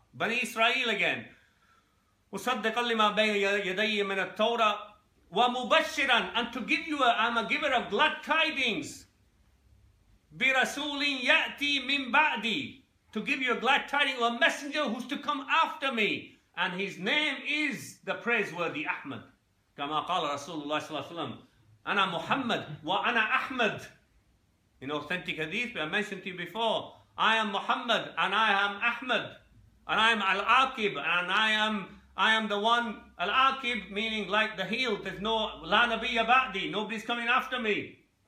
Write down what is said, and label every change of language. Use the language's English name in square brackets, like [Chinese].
[English] Bani Israel again. [Arabic] وَصَدَّقَ لِمَا بَيْنَ يَدَيِّ مِنَ التَّوْرَةِ وَمُبَشِّرًا. [English] And to give you, I'm a giver of glad tidings. [Arabic] بِرَسُولٍ يَأْتِي مِنْ بَعْدِي. [English] To give you a glad tidings, a messenger who's to come after me. And his name is the praiseworthy Ahmad. [Arabic] كما قال رسول الله صلى الله عليه وسلم أنا محمد وأنا أحمد. [English] In authentic hadith, I mentioned to you before, I am Muhammad and I am Ahmad. And I am Al-Aqib and I am the one, Al-Aqib meaning like the heel, there's no La Nabiya Ba'di, nobody's coming after me.